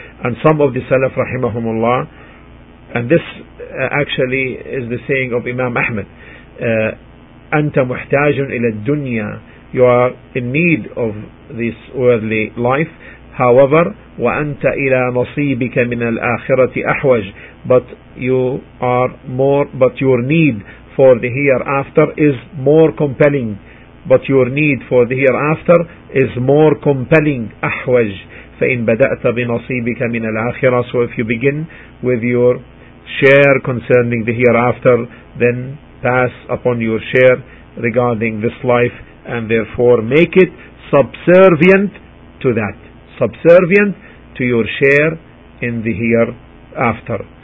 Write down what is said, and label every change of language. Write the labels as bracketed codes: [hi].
[en] And some of the Salaf, rahimahumullah, and this actually is the saying of Imam Ahmad, [ar] أَنْتَ مُحْتَاجٌ إِلَى الدُّنْيَا, [en] you are in need of this worldly life. However, [ar] وَأَنْتَ إِلَى نَصِيبِكَ مِنَ الْآخِرَةِ أَحْوَجٌ, [en] but your need for the hereafter is more compelling. But your need for the hereafter is more compelling. [ar] أحوج. فإن بدأت بنصيبك من الآخرة. [en] So if you begin with your share concerning the hereafter, then pass upon your share regarding this life, and therefore make it subservient to that. Subservient to your share in the hereafter.